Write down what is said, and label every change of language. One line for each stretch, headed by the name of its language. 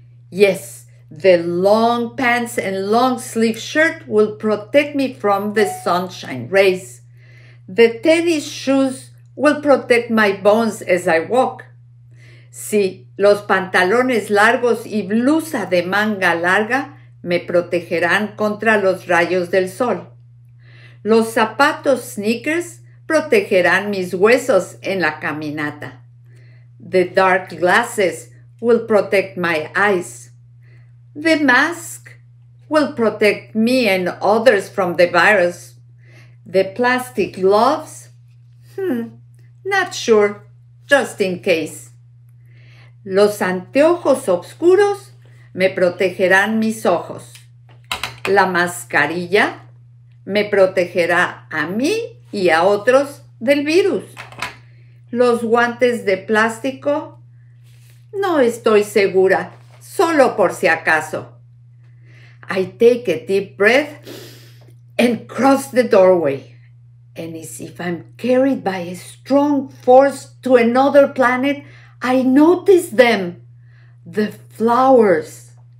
English: Yes, the long pants and long sleeve shirt will protect me from the sunshine rays. The tennis shoes will protect my bones as I walk.
Spanish: Sí, los pantalones largos y blusa de manga larga me protegerán contra los rayos del sol. Los zapatos sneakers protegerán mis huesos en la caminata.
English: The dark glasses will protect my eyes. The mask will protect me and others from the virus. The plastic gloves, not sure, just in case.
Spanish: Los anteojos oscuros me protegerán mis ojos. La mascarilla me protegerá a mí y a otros del virus. Los guantes de plástico, no estoy segura, solo por si acaso.
English: I take a deep breath and cross the doorway. And as if I'm carried by a strong force to another planet, I notice them, the flowers.